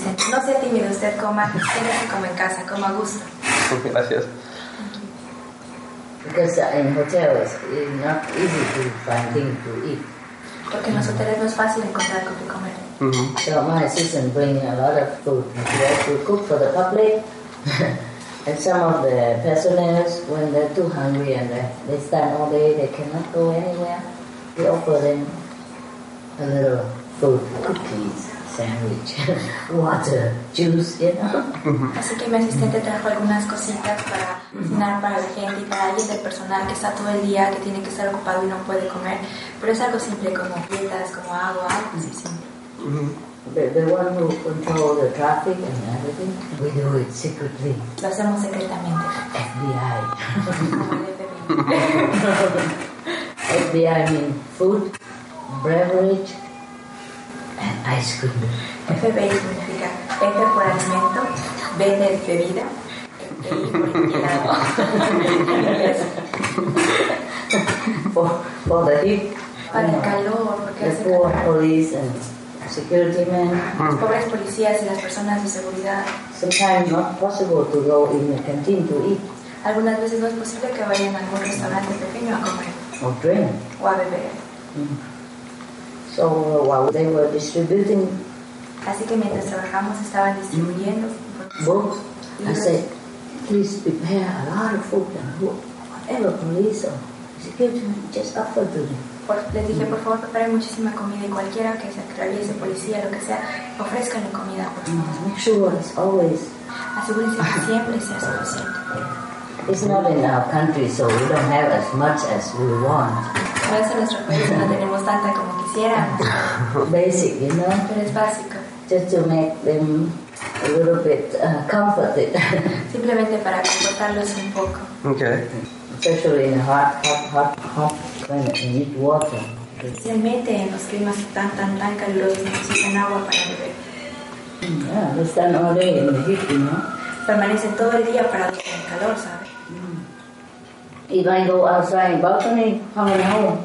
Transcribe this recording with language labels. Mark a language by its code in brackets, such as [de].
[es] No sea tímido, usted coma, tiene que comer en casa, coma a gusto. Gracias. [en] Because in hotels it's not easy to find things to eat. [es] Porque en los hoteles no es fácil encontrar algo que comer. [en] So my assistant bring a lot of food to cook for the public. And some of the personnel, when they're too hungry and they stand all day, they cannot go anywhere. We offer them a little food, cookies, sandwich, water, juice, you know. [es] Así que mi asistente trajo algunas cositas para cocinar para la gente y para alguien del personal que está todo el día, que tiene que estar ocupado y no puede comer. Pero es algo simple como frutas, como agua, algo así simple. [en] The one who control the traffic and everything, we do it secretly. [es] Lo hacemos secretamente. [en] FBI. FBI means food, beverage, and ice cream. [es] FBI significa F por alimento, B de bebida, y [en] for the heat. [es] Para el calor, porque hace calor. [en] The police and security men. [es] Los pobres policías y las personas de seguridad. [en] Sometimes not possible to go in a canteen to eat. [es] Algunas veces no es posible que vayan a algún restaurante pequeño a comer. [en] Or drink. [es] O a beber. [en] So while they were distributing. [es] Así que mientras trabajamos estaban distribuyendo. [en] Books. I said, please prepare a lot of food and whatever police or security men just offer to them. [es] Les dije, por favor, preparen muchísima comida y cualquiera que se atraviese, policía, lo que sea, ofrezcanle comida, por favor. [en] Sure, [es] asegúrense que siempre sea suficiente. [en] It's not in our country, so we don't have as much as we want. [es] A veces en nuestro país no tenemos tanta como quisiéramos. [en] Basic, you know? [es] Pero es básico. [en] Just to make them a little bit comforted. [es] Simplemente para confortarlos un poco. [en] Okay. Especially in hot climate, they need water. [es] Especialmente en los climas tan calurosos, necesitan agua para beber. [en] Yeah, they stand all day in the heat, you know. [es] Permanecen todo el día para dormir en calor, ¿sabe? [en] If I go outside in balcony, how many hours?